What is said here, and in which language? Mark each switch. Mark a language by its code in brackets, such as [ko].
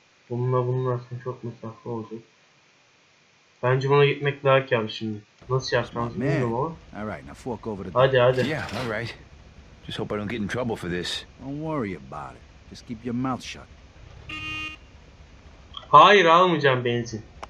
[tr] Bununla arasında çok mesafe olacak. Bence buna gitmek daha kâr şimdi. Nasıl yapacağız bilmiyorum ama. [en] All right, now fork over to [tr] the... Hadi hadi. [en] Yeah, all right. Just hope I don't get in trouble for this. Don't worry about it. Just keep your mouth shut. [tr] Hayır, almayacağım benzin.